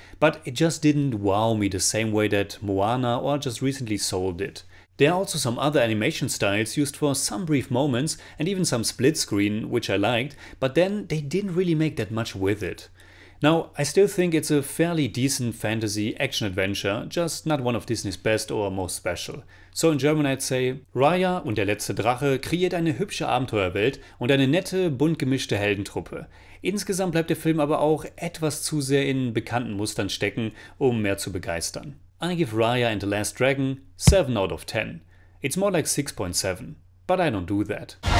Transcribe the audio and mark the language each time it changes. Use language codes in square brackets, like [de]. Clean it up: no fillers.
[en] But it just didn't wow me the same way that Moana or just recently Soul did. There are also some other animation styles used for some brief moments and even some split screen, which I liked, but then they didn't really make that much with it. Now, I still think it's a fairly decent fantasy action adventure, just not one of Disney's best or most special. So in German I'd say, [de] Raya und der letzte Drache kreiert eine hübsche Abenteuerwelt und eine nette, bunt gemischte Heldentruppe. Insgesamt bleibt der Film aber auch etwas zu sehr in bekannten Mustern stecken, um mehr zu begeistern. [en] I give Raya and the Last Dragon 7 out of 10. It's more like 6.7, but I don't do that.